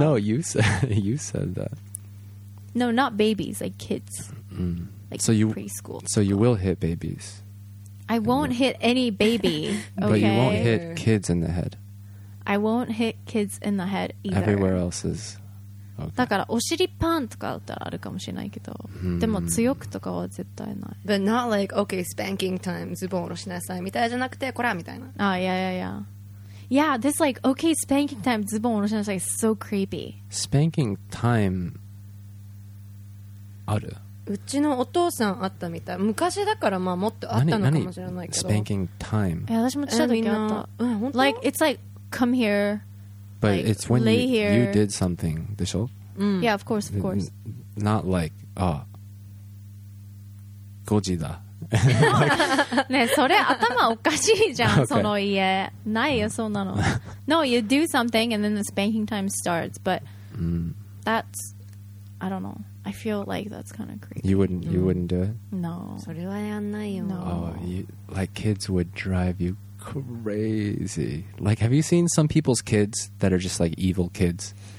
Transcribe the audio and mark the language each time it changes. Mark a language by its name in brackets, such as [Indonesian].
[English] No, you said that. No, not babies, like kids. Like so you, preschool. So you will hit babies. I won't hit any baby, okay? But you won't hit kids in the head. I won't hit kids in the head either. Everywhere else is... [Japanese] だからお尻パンとかだったらあるかもしれないけど、でも強くとかは絶対ない。 [English] But not like okay spanking time [Japanese] ズボン下ろしなさいみたいじゃなくてこらみたいな。 [English] あ、yeah. Yeah, this like okay spanking time [Japanese] ズボン下ろしなさい [English] so creepy. Spanking time [Japanese] ある。うちのお父さんあったみたい。昔だからまあもっとあったのかもしれないけど。 [English] Spanking time。 [Japanese] え、私もちょっとになった。 [English] Like it's like come here. But like, it's when you did something, [Japanese] でしょ? [English] Yeah, of course, of course. Not like, ah, [Japanese] 5時だ。ねえ、それ頭おかしいじゃん、その家。ないよ、そんなの。 [English] No, you do something and then the spanking time starts, but that's, I don't know. I feel like that's kind of creepy. You wouldn't do it? No. [Japanese] それはやんないよ。 [English] No. Oh, like kids would drive you crazy. Like, have you seen some people's kids that are just like evil kids?